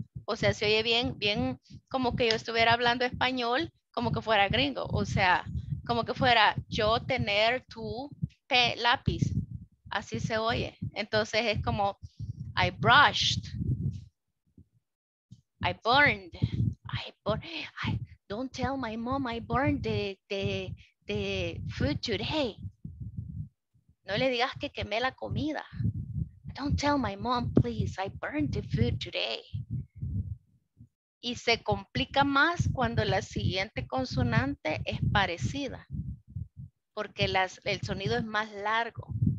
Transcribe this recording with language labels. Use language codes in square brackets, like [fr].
[es] O sea, se oye bien, bien como que yo estuviera hablando español, como que fuera gringo. O sea, como que fuera yo tener tu lápiz. Así se oye. Entonces es como, [en] I brushed, I burned, I don't tell my mom I burned the food today. [es] No le digas que quemé la comida. [en] Don't tell my mom, please, I burned the food today. [es] Y se complica más cuando la siguiente consonante es parecida, porque el sonido es más largo.